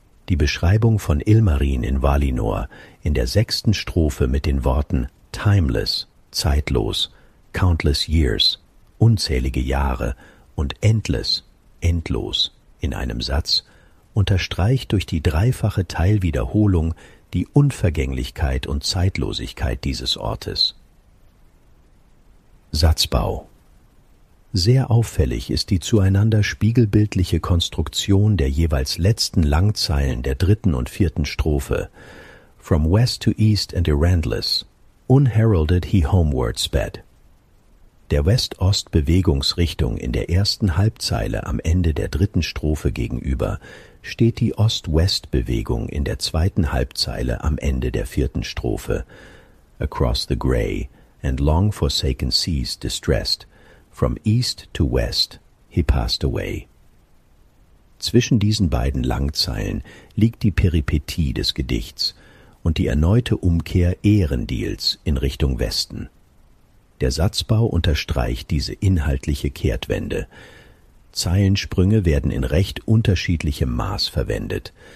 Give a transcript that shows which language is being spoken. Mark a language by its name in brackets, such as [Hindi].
[German] Die Beschreibung von Ilmarin in Valinor in der 6. Strophe mit den Worten [English] timeless, [German] zeitlos, [English] countless years, [German] unzählige Jahre und [English] endless, [German] endlos in einem Satz unterstreicht durch die dreifache Teilwiederholung die Unvergänglichkeit und Zeitlosigkeit dieses Ortes. Satzbau. Sehr auffällig ist die zueinander spiegelbildliche Konstruktion der jeweils letzten Langzeilen der 3. und 4. Strophe. [English] From west to east and errandless, unheralded he homeward sped. [German] Der West-Ost-Bewegungsrichtung in der 1. Halbzeile am Ende der 3. Strophe gegenüber steht die Ost-West-Bewegung in der 2. Halbzeile am Ende der 4. Strophe. [English] Across the grey and long-forsaken seas distressed, from east to west, he passed away. [German] Zwischen diesen beiden Langzeilen liegt die Peripetie des Gedichts und die erneute Umkehr Ehrendiels in Richtung Westen. Der Satzbau unterstreicht diese inhaltliche Kehrtwende. Zeilensprünge werden in recht unterschiedlichem Maß verwendet.